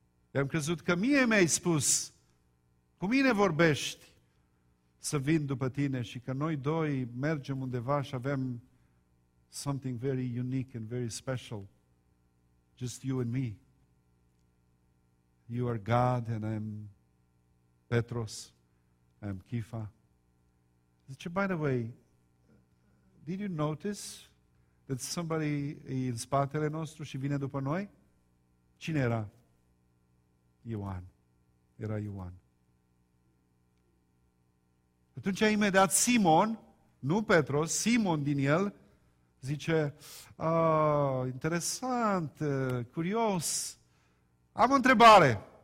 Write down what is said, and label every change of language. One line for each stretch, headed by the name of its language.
Romanian: I-am crezut că mie mi-ai spus, cu mine vorbești, să vin după tine și că noi doi mergem undeva și avem
English: something very unique and very special, just you and me. You are God and I'm Petros, I'm Chifa.
Romanian: Zice,
English: by the way, did you notice that somebody
Romanian: e în spatele nostru și vine după noi? Cine era? Ioan. Era Ioan. Atunci imediat Simon, nu Petros, Simon din el, zice, interesant, curios, am o întrebare.